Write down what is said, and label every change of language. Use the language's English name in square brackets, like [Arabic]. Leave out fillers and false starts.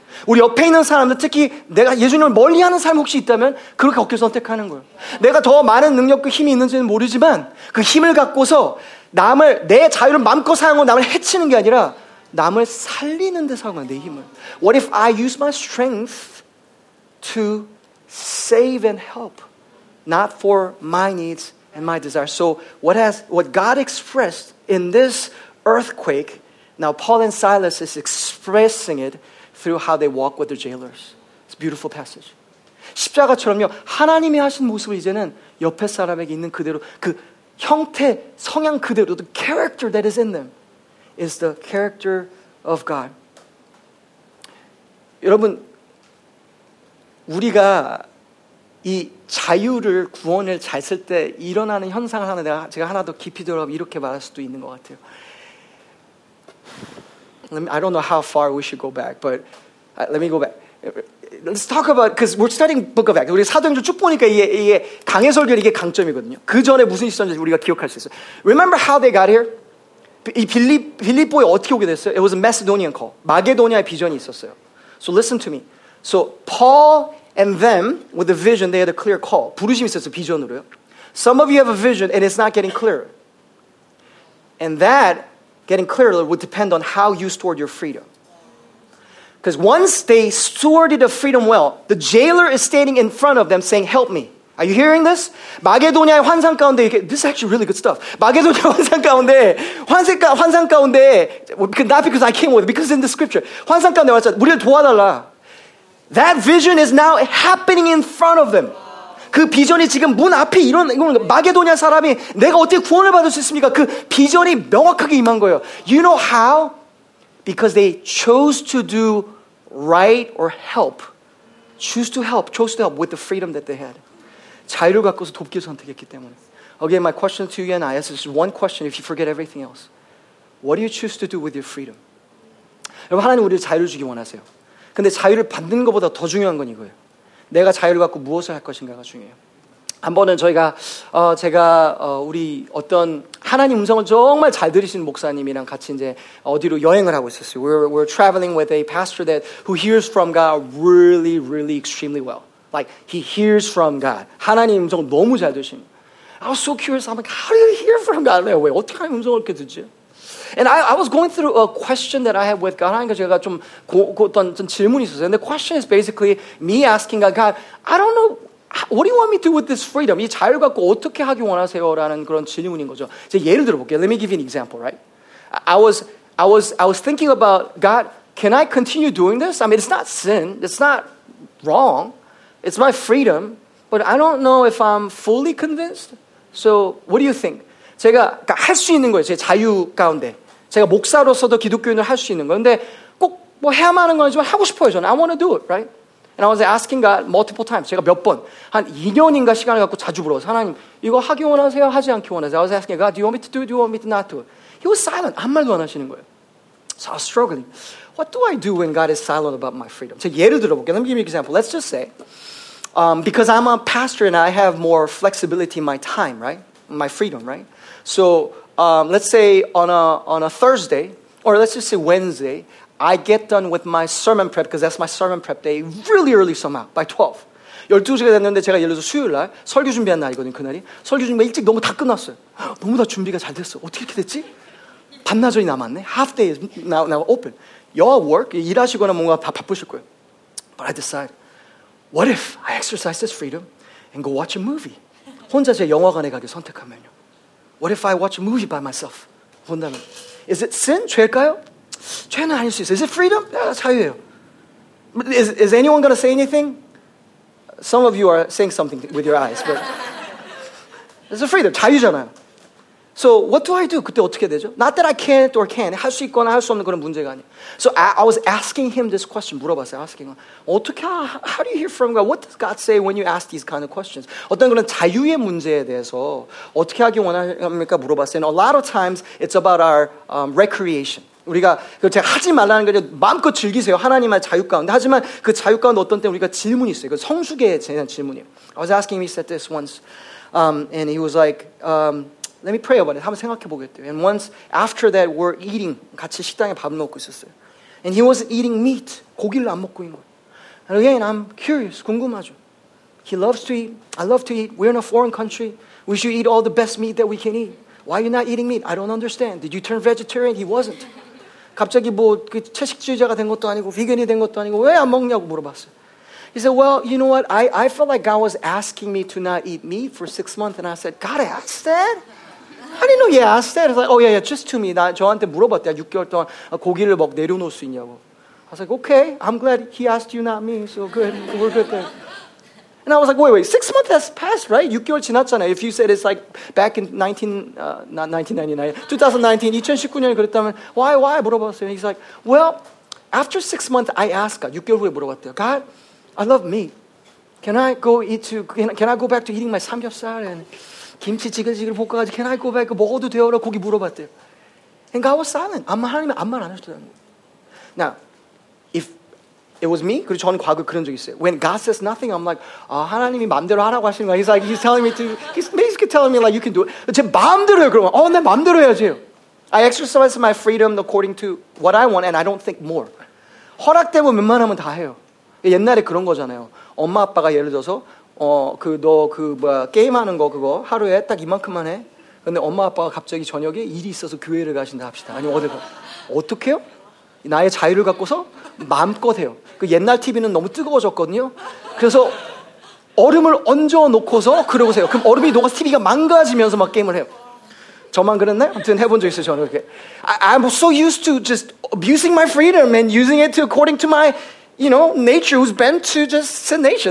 [Korean] 우리 옆에 있는 사람들, 특히 내가 예수님을 멀리하는 사람 혹시 있다면 그렇게 어깨 선택하는 거예요. 내가 더 많은 능력과 힘이 있는지는 모르지만 그 힘을 갖고서 남을, 내 자유를 마음껏 사용하고 남을 해치는 게 아니라 남을 살리는 데 사용하는 내 힘을. [English] What if I use my strength to save and help, not for my needs and my desires? So what God expressed in this earthquake, now Paul and Silas is expressing it through how they walk with the jailers. It's a beautiful passage. [Korean] 십자가처럼요, 하나님이 하신 모습을 이제는 옆에 사람에게 있는 그대로, 그 형태, 성향 그대로, [English] the character that is in them is the character of God. [Korean] 여러분, 우리가 이 자유를, 구원을 잘 쓸 때 일어나는 현상을 하나 제가 하나 더 깊이 들어가면 이렇게 말할 수도 있는 것 같아요. [English] I don't know how far we should go back, but let me go back. Let's talk about, because we're studying Book of Acts. [Korean] 우리 사도행전 쭉 보니까 이게 강해 설교 이게 강점이거든요. 그 전에 무슨 있었는지 우리가 기억할 수 있어요. [English] Remember how they got here? [Korean] 이 빌립보에 어떻게 오게 됐어요? [English] It was a Macedonian call. [Korean] 마게도니아의 비전이 있었어요. [English] So listen to me. So Paul and them, with a vision, they had a clear call. [Korean] 부르심이 있었어요, 비전으로요. [English] Some of you have a vision and it's not getting clearer. And that getting clearer would depend on how you stored your freedom. Because once they stewarded the freedom well, the jailer is standing in front of them saying, help me. Are you hearing this? [Korean] 마게도니아의 환상 가운데, [English] this is actually really good stuff. [Korean] 마게도니아의 환상 가운데, 환상 가운데, [English] not because I came with it, because in the scripture. [Korean] 환상 가운데 왔어요. 우리를 도와달라. [English] That vision is now happening in front of them. [Korean] 그 비전이 지금 문 앞에 이런 거예요. 마게도니아 사람이 내가 어떻게 구원을 받을 수 있습니까? 그 비전이 명확하게 임한 거예요. [English] You know how? Because they chose to do right or help. Chose to help with the freedom that they had. [Korean] 자유를 갖고서 돕기 선택했기 때문에. [English] Again, my question to you and I, this is one question if you forget everything else. What do you choose to do with your freedom? [Korean] 여러분, 하나님 우리를 자유를 주기 원하세요. 근데 자유를 받는 것보다 더 중요한 건 이거예요. 내가 자유를 갖고 무엇을 할 것인가가 중요해요. 한 번은 저희가 우리 어떤 하나님 음성을 정말 잘 들으시는 목사님이랑 같이 이제 어디로 여행을 하고 있었어요. [English] We're traveling with a pastor that who hears from God really, really, extremely well. Like he hears from God. [Korean] 하나님 음성 너무 잘 들으신. [English] I was so curious. I'm like, how do you hear from God? [Korean] 왜 어떻게 하나님 음성을 이렇게 듣지? [English] And I was going through a question that I had with God. [Korean] 하나님께 제가 좀 어떤 질문이 있었어요. [English] And the question is basically me asking God, God, I don't know, what do you want me to do with this freedom? [Korean] 이 자유를 갖고 어떻게 하기 원하세요? 라는 그런 질문인 거죠. 제가 예를 들어볼게요. [English] Let me give you an example, right? I was thinking about, God, can I continue doing this? I mean, it's not sin. It's not wrong. It's my freedom. But I don't know if I'm fully convinced. So what do you think? [Korean] 제가 그러니까 할 수 있는 거예요. 제 자유 가운데. 제가 목사로서도 기독교인을 할 수 있는 거예요. 근데 꼭 뭐 해야만 하는 건 아니지만 하고 싶어요, 저는. [English] I want to do it, right? And I was asking God multiple times. [Korean] 제가 몇 번, 한 2년인가 시간을 갖고 자주 물어봐서 하나님, 이거 하기 원하세요? 하지 않기 원하세요? [English] I was asking God, do you want me to do it? Do you want me to not do it? He was silent. [Korean] 아무 말도 안 하시는 거예요. [English] So I was struggling. What do I do when God is silent about my freedom? [Korean] 제가 예를 들어볼게요. [English] Let me give you an example. Let's just say, because I'm a pastor and I have more flexibility in my time, right? My freedom, right? So let's say on a Thursday, or let's just say Wednesday, I get done with my sermon prep because that's my sermon prep day really early somehow, by 12. [Korean] 12시가 됐는데 제가 예를 들어서 수요일 날 설교 준비한 날이거든요, 그날이. 설교 준비가 일찍 너무 다 끝났어요. 너무 다 준비가 잘 됐어. 어떻게 이렇게 됐지? 반나절이 남았네. [English] Half day is now open. Your work, [Korean] 일하시거나 뭔가 다 바쁘실 거예요. [English] But I decide, what if I exercise this freedom and go watch a movie? [Korean] 혼자 제 영화관에 가기 선택하면요. [English] What if I watch a movie by myself? [Korean] 본다면. [English] Is it sin? [Korean] 죄일까요? 죄는 아닐 수 있어요. [English] Is it freedom? [Korean] 자유예요. [English] Is anyone going to say anything? Some of you are saying something with your eyes. But it's a freedom. [Korean] 자유잖아요. [English] So what do I do? [Korean] 그때 어떻게 되죠? [English] Not that I can't or can. [Korean] 할 수 있거나 할 수 없는 그런 문제가 아니에요. [English] So I was asking him this question. [Korean] 물어봤어요. [English] Asking him. 어떻게, how do you hear from God? What does God say when you ask these kind of questions? [Korean] 어떤 그런 자유의 문제에 대해서 어떻게 하기 원합니까? 물어봤어요. [English] And a lot of times it's about our recreation. [Korean] 우리가 제가 하지 말라는 거죠. 마음껏 즐기세요. 하나님의 자유 가운데. 하지만 그 자유 가운데 어떤 때 우리가 질문이 있어요. 그 성숙에 대한 질문이에요. [English] I was asking him, he said this once. And he was like, let me pray about it. [Korean] 한번 생각해 보겠대요. [English] And once, after that, we're eating. [Korean] 같이 식당에 밥 먹고 있었어요. [English] And he was eating meat. [Korean] 고기를 안 먹고 있는 거예요. [English] And again, I'm curious. [Korean] 궁금하죠. [English] He loves to eat. I love to eat. We're in a foreign country. We should eat all the best meat that we can eat. Why are you not eating meat? I don't understand. Did you turn vegetarian? He wasn't. [Korean] 갑자기 뭐 그 채식주의자가 된 것도 아니고 비건이 된 것도 아니고 왜 안 먹냐고 물어봤어요. [English] He said, well, you know what? I felt like God was asking me to not eat meat for 6 months. And I said, God asked that? I didn't know he asked that. I was like, oh, yeah, yeah, just to me. [Korean] 나 저한테 물어봤대요. 6개월 동안 고기를 먹 내려놓을 수 있냐고. [English] I was like, okay, I'm glad he asked you, not me. So good, we're good there. And I was like, wait, 6 months has passed, right? [Korean] 6개월 지났잖아요. [English] If you said it's like back in 2019년이 그랬다면, why? [Korean] 물어봤어요. [English] He's like, well, after 6 months, I asked God, [Korean] 6개월 후에 물어봤대요. [English] God, I love meat. Can I go back to eating my 삼겹살 and 김치 [Korean] 지글지글 볶아가지고 [English] can I go back? [Korean] 먹어도 돼요? 고기 물어봤대요. [English] And God was silent. [Korean] 하나님이 아무 말 안 하셨다는 거예요. [English] Now, if it was me, [Korean] 그리고 저는 과거 그런 적 있어요. [English] When God says nothing, I'm like, [Korean] 아, 하나님이 마음대로 하라고 하시는 거야. [English] He's like, he's telling me to, he's basically telling me like, you can do it. [Korean] 제 마음대로요, 그러면. 내 마음대로 해야지. [English] I exercise my freedom according to what I want, and I don't think more. [Korean] 허락되면 웬만하면 다 해요. 옛날에 그런 거잖아요. 엄마, 아빠가 예를 들어서, 게임하는 거 그거 하루에 딱 이만큼만 해. 근데 엄마, 아빠가 갑자기 저녁에 일이 있어서 교회를 가신다 합시다. 아니, 어디 가? 어떻게 해요? 나의 자유를 갖고서 마음껏 해요. 그 옛날 TV는 너무 뜨거워졌거든요. 그래서 얼음을 얹어놓고서 그러고 세요. 그럼 얼음이 녹아서 TV가 망가지면서 막 게임을 해요. 저만 그랬나요? 아무튼 해본 적 있어요, 저는 그렇게. [English] I'm so used to just abusing my freedom and using it according to my, you know, nature, who's bent to just sin nature.